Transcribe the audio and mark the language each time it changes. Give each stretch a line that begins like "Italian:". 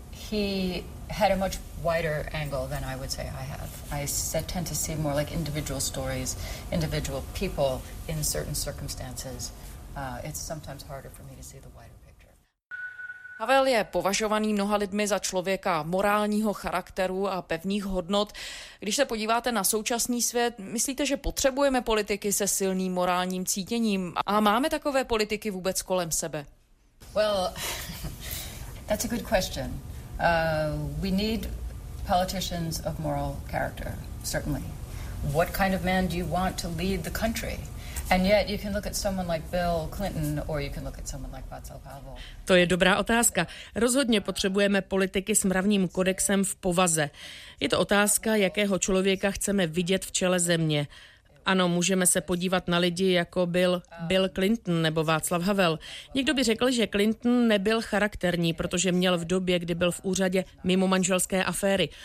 English: He had a much wider angle than I would say I have. I tend to see more like individual stories, individual people in certain circumstances. It's sometimes harder for me to see the wider.
Czech: Havel je považovaný mnoha lidmi za člověka morálního charakteru a pevných hodnot. Když se podíváte na současný svět, myslíte, že potřebujeme politiky se silným morálním cítěním? A máme takové politiky vůbec kolem sebe?
English: Well, that's a good question. We need politicians of moral character, certainly. What kind of man do you want to lead the country? And yet you can look at someone like Bill Clinton or you can look at someone like Václav Havel.
Czech: To je dobrá otázka. Rozhodně potřebujeme politiky s mravním kodexem v povaze. Je to otázka, jakého člověka chceme vidět v čele země. Ano, můžeme se podívat na lidi, jako byl Bill Clinton nebo Václav Havel. Někdo by řekl, že Clinton nebyl charakterní, protože měl v době, kdy byl v úřadě, mimo manželské aféry.